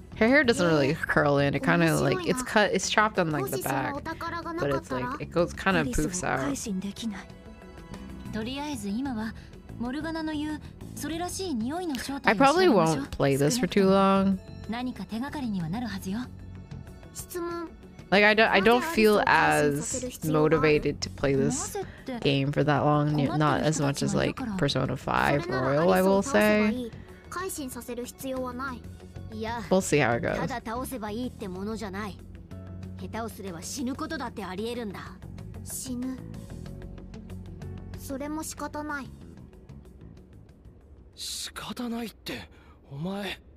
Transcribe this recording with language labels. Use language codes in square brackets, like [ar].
[en] Her hair doesn't really curl in. It kind of like it's cut, it's chopped on like the back. But it's like it goes kind of poofs out. [ja] とりあえず今はモルガナの言うそれらしい匂いの正体を調べましょう。 [en] I probably won't play this for too long. [ja] 何か手がかりにはなるはずよ。質問。 [en] Like I don't feel as motivated to play this game for that long. Not as much as like Persona 5 Royal, I will say. [ja] 改心させる必要はない。いや。 [en] We'll see how it goes. [ja] ただ倒せばいいってものじゃない。下手をすれば死ぬことだってありえるんだ。死ぬ。それも仕方ない仕方ないってお前